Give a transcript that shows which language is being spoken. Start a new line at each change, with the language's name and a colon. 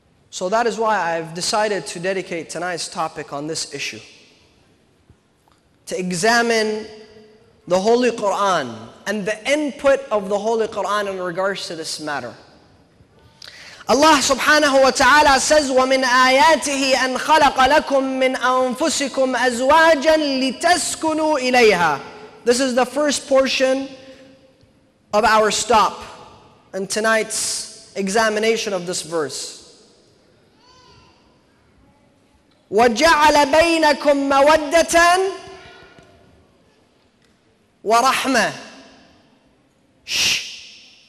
English: So that is why I've decided to dedicate tonight's topic on this issue. To examine the Holy Quran and the input of the Holy Quran in regards to this matter. Allah subhanahu wa ta'ala says,
Arabic: وَمِنْ آيَاتِهِ أَنْ خَلَقَ لَكُمْ مِنْ أَنفُسِكُمْ أَزْوَاجًا لِتَسْكُنُوا إِلَيْهَا.
English: This is the first portion of our stop in tonight's examination of this verse.
Arabic: وَجَعَلَ بَيْنَكُمْ مَوَدَّةً وَرَحْمَةً. Shh.